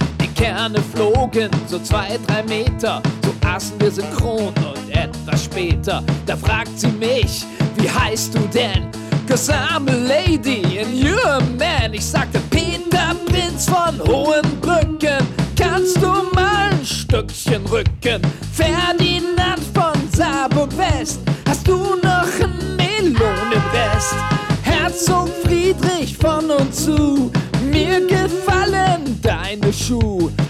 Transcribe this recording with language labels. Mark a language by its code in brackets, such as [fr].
[de] Die Kerne flogen so 2-3 Meter, so aßen wir synchron und etwas später. Da fragt sie mich, wie heißt du denn? [en] 'Cause I'm a lady and you're a man. [de] Ich sagte, Peter Prinz von Hohenbrücken, kannst du mal ein Stückchen rücken? Ferdinand von Saarburg West, hast du noch ein Melon im Rest? Herzog Friedrich von und zu, mir gefallen deine Schuhe.